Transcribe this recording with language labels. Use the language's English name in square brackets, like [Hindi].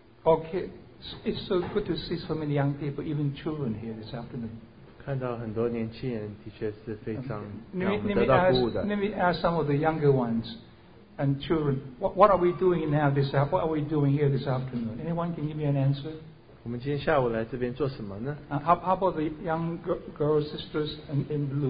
[English] Okay, it's so good to see so many young people, even children here this afternoon. [Chinese] 看到很多年轻人的确是非常让我们得到鼓舞的。 [English] Let me ask some of the younger ones and children, what are we doing now this afternoon? What are we doing here this afternoon? Anyone can give me an answer? [Chinese] 我们今天下午来这边做什么呢？ [English] How about the young girls, sisters in blue?